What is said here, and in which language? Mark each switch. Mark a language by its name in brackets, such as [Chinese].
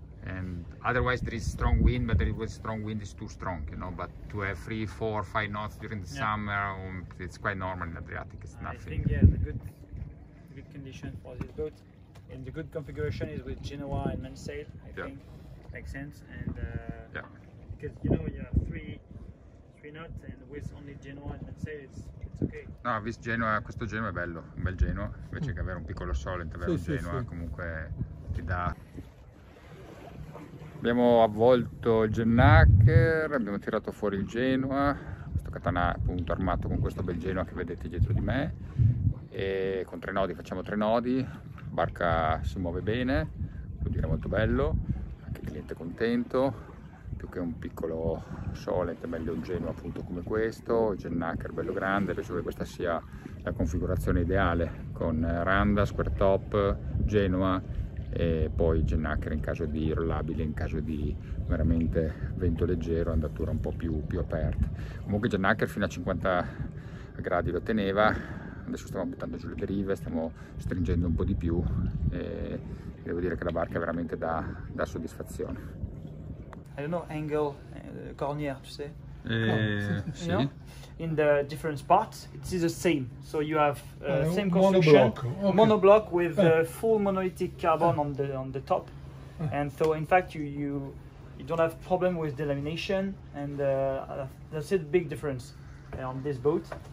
[English] And otherwise there is strong wind, but there is strong wind is too strong, you know, but to have 3, 4, 5 knots during the summer, it's quite normal in Adriatic, it's nothing. I think, yeah, the good condition for this boat, and the good configuration is with Genoa and mainsail, I think, makes sense, and because, you know, you have 3 knots, and with only Genoa and mainsail, it's okay. No, with Genoa, [Italian] questo Genoa è bello, un bel Genoa, invece che avere un piccolo Solent, avere un Genoa, comunque ti dà... Abbiamo avvolto il Jennaker, abbiamo tirato fuori il Genoa, questo katana appunto armato con questo bel Genoa che vedete dietro di me, e con tre nodi, facciamo tre nodi, la barca si muove bene, vuol dire molto bello, anche il cliente contento, più che un piccolo Solent è meglio un Genoa appunto come questo, il Jennaker bello grande, penso che questa sia la configurazione ideale con randa, square top, Genoa, e poi Jennaker in caso di rollabile, in caso di veramente vento leggero, andatura un po' più aperta. Comunque Jennaker fino a 50 gradi lo teneva, adesso stiamo buttando giù le derive, stiamo stringendo un po' di più e devo dire che la barca è veramente da soddisfazione. [English] I don't know, angle, cornier, [Italian] tu sai? Sì. [English] You know? In the different spots, it's the same, so you have same construction, monoblock with full monolithic carbon on the top, and so in fact you don't have problem with delamination, and that's a big difference on this boat.